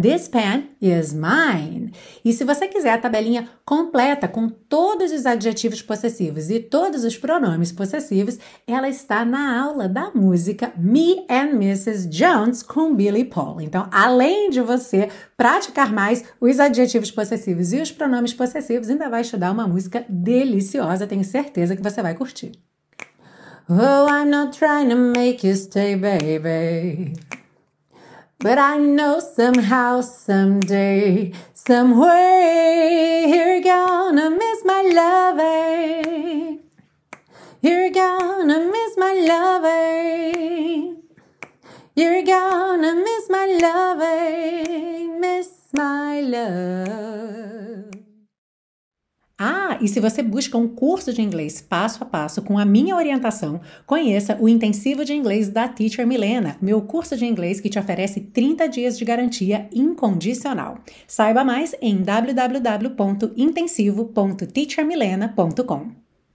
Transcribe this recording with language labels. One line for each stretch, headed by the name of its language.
English: This pen is mine.
Portuguese: E se você quiser a tabelinha completa com todos os adjetivos possessivos e todos os pronomes possessivos, ela está na aula da música Me and Mrs. Jones com Billy Paul. Então, além de você praticar mais os adjetivos possessivos e os pronomes possessivos, ainda vai estudar uma música deliciosa. Tenho certeza que você vai curtir.
English: Oh, I'm not trying to make you stay, baby. But I know somehow, someday, somewhere, you're gonna miss my love, you're gonna miss my love, you're gonna miss my love, miss my love.
Portuguese: Ah, e se você busca um curso de inglês passo a passo com a minha orientação, conheça o Intensivo de Inglês da Teacher Milena, meu curso de inglês que te oferece 30 dias de garantia incondicional. Saiba mais em www.intensivo.teachermilena.com.